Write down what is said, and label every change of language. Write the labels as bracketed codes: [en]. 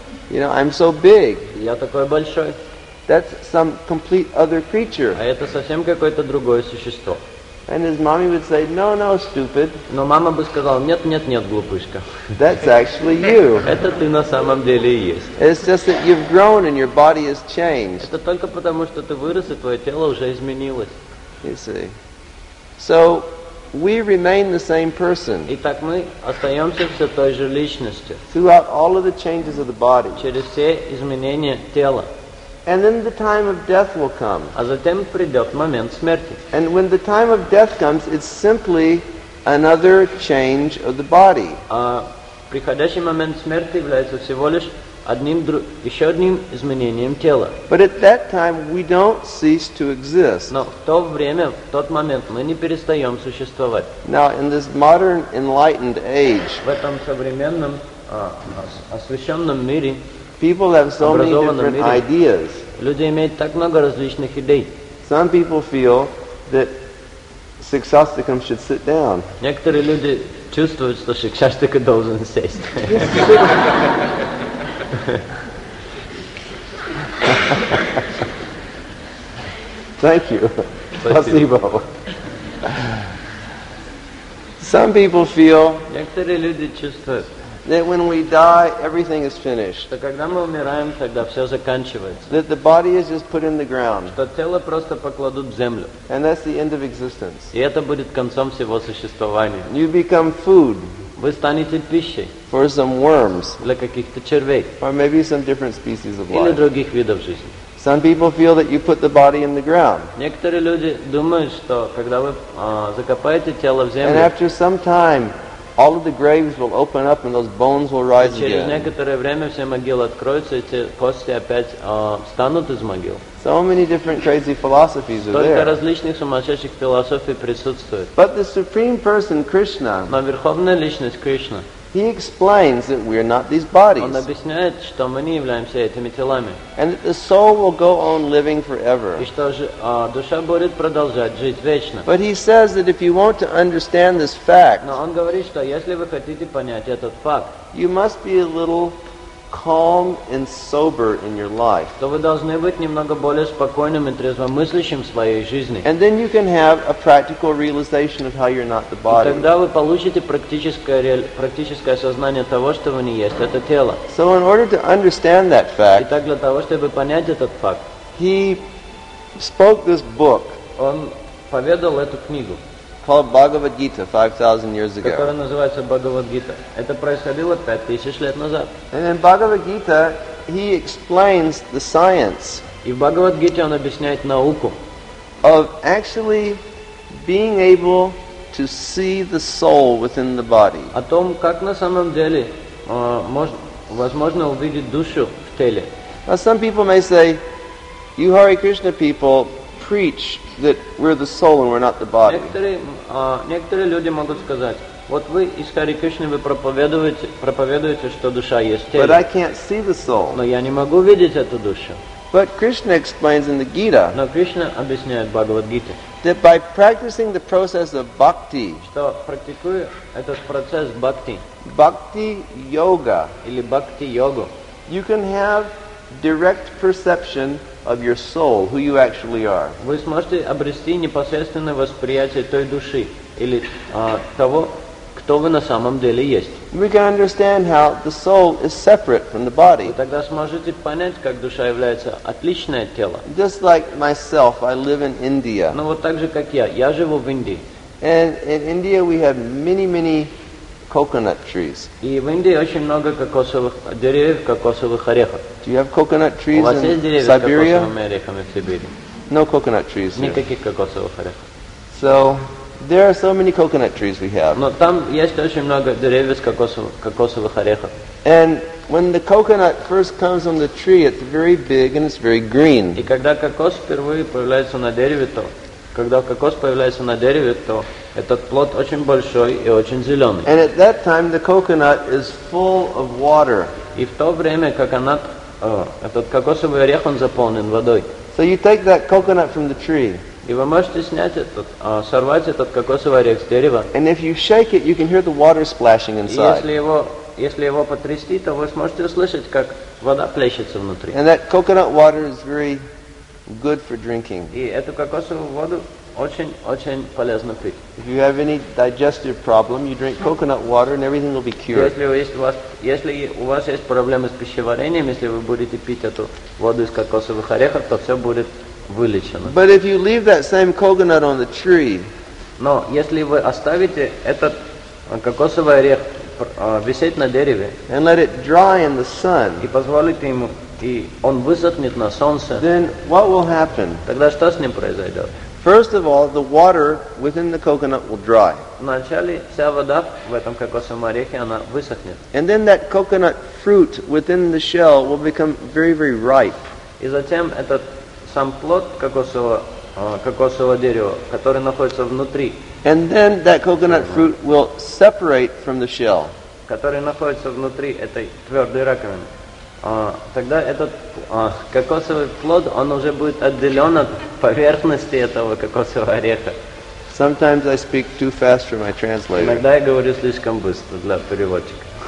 [en] You know, I'm so big. [ru] Я такой большой. [en] That's some complete other creature. [ru] А это совсем какое-то другое существо. [en] And his mommy would say, no, stupid. [ru] Но мама бы сказала, нет, глупышка. [en] That's actually you. [ru] Это ты на самом деле и есть. [en] It's just that you've grown and your body has changed. [ru] Это только потому, что ты вырос, и твое тело уже изменилось. [en] You see. So we remain the same person. [ru] Итак, мы остаемся все той же личностью. [en] Throughout all of the changes of the body. [ru] Через все изменения тела. [en] And then the time of death will come. [ru] А затем придет момент смерти. [en] And when the time of death comes, it's simply another change of the body. [ru] А приходящий момент смерти является всего лишь еще одним изменением тела. [en] But at that time we don't cease to exist. [ru] Но в то время, в тот момент, мы не перестаем существовать. [en] Now in this modern enlightened age, [ru] в этом современном освященном мире, [en] people have so many different ideas. [ru] Люди имеют так много различных идей. [en] Some people feel that Sikshastakam should sit down. [ru] Некоторые люди чувствуют, что Сикшастика должен сесть. [en] Thank you. Placebo. Some people feel [ru] некоторые люди чувствуют [en] that when we die, everything is finished. [ru] Что когда мы умираем, тогда все заканчивается. [en] That the body is just put in the ground. [ru] Что тело просто покладут в землю. [en] And that's the end of existence. [ru] И это будет концом всего существования. [en] You become food. [ru] Вы станете пищей. [en] For some worms. [ru] Для каких-то червей. [en] Or maybe some different species of life. [ru] Или других видов жизни. [en] Some people feel that you put the body in the ground. [ru] Некоторые люди думают, что когда вы закопаете тело в землю. [en] And after some time, all of the graves will open up and those bones will rise again. [ru] Через некоторое время все могилы откроются, и кости опять встанут из могил. [en] So many different crazy philosophies are there. [ru] Только различных сумасшедших философий присутствует. [en] But the Supreme Person, Krishna, [ru] но Верховная Личность Кришна, [en] He explains that we are not these bodies. [ru] Он объясняет, что мы не являемся этими телами. [en] And that the soul will go on living forever. [ru] И что же, душа будет продолжать жить вечно. [en] But he says that if you want to understand this fact, [ru] но он говорит, что если вы хотите понять этот факт, [en] you must be a little calm and sober in your life. [ru] То вы должны быть немного более спокойным и трезвомыслящим в своей жизни. [en] And then you can have a practical realization of how you're not the body. [ru] Тогда вы получите практическое осознание того, что вы не есть это тело. [en] So in order to understand that fact, [ru] Итак, для того, чтобы понять этот факт, [en] he spoke this book. [ru] Он поведал эту книгу. [en] Called Bhagavad Gita 5,000 years ago. [ru] Которая называется Бхагавад Гита. Это происходило 5,000 лет назад. [en] And in Bhagavad Gita, he explains the science. [ru] И в Бхагавад Гите он объясняет науку. [en] Of actually being able to see the soul within the body. [ru] О том, как на самом деле возможно увидеть душу в теле. [en] Now some people may say, you Hare Krishna people preach that we're the soul and we're not the body. [ru] Некоторые люди могут сказать, вот вы из Харе Кришны вы проповедуете, что душа есть тело. [en] But I can't see the soul. [ru] Но я не могу видеть эту душу. [en] But Krishna explains in the Gita. [ru] Но Кришна объясняет в Бхагавад Гите. [en] That by practicing the process of bhakti. [ru] Что практикуя этот процесс бхакти. [en] Bhakti yoga. [ru] Или бхакти йогу. [en] You can have direct perception of your soul, who you actually are. [ru] Вы сможете обрести непосредственное восприятие той души или того, кто вы на самом деле есть. [en] We can understand how the soul is separate from the body. [ru] Вы тогда сможете понять, как душа является отличной от тела. [en] Just like myself, I live in India. [ru] Ну вот так же, как я живу в Индии. [en] And in India we have many, many coconut trees. [ru] И в Индии очень много кокосовых деревьев, кокосовых орехов. [en] Do you have coconut trees in Siberia? No coconut trees. [ru] Никаких кокосовых орехов. [en] So there are so many coconut trees we have. [ru] Но там есть очень много деревьев с кокосовых орехов. [en] And when the coconut first comes on the tree, it's very big and it's very green. [ru] И когда кокос впервые появляется на дереве, то когда кокос появляется на дереве, то этот плод очень большой и очень зеленый. [en] And at that time the coconut is full of water. [ru] И в то время, как этот кокосовый орех, он заполнен водой. [en] So you take that coconut from the tree. [ru] И вы можете сорвать этот кокосовый орех с дерева. [en] And if you shake it, you can hear the water splashing inside. [ru] Если его потрясти, то вы сможете услышать, как вода плещется внутри. [en] And that coconut water is very good for drinking. [ru] И эту кокосовую воду очень-очень полезно пить. [en] If you have any digestive problem, you drink coconut water and everything will be cured. [ru] Если у вас есть проблемы с пищеварением, если вы будете пить эту воду из кокосовых орехов, то все будет вылечено. [en] But if you leave that same coconut on the tree, [ru] но если вы оставите этот кокосовый орех висеть на дереве, [en] and let it dry in the sun, [ru] и позволите ему, и он высохнет на солнце, [en] then what will happen? [ru] Тогда что с ним произойдет? [en] First of all, the water within the coconut will dry. [ru] Вначале вся вода в этом кокосовом орехе, она высохнет. [en] And then that coconut fruit within the shell will become very, very ripe. [ru] И затем этот сам плод кокосового дерева, который находится внутри. [en] And then that coconut fruit will separate from the shell. [ru] Который находится внутри этой твердой раковины. Тогда этот кокосовый плод, он уже будет отделен от поверхности этого кокосового ореха. [en] Sometimes I speak too fast for my translator. [ru] Иногда я говорю слишком быстро для переводчика.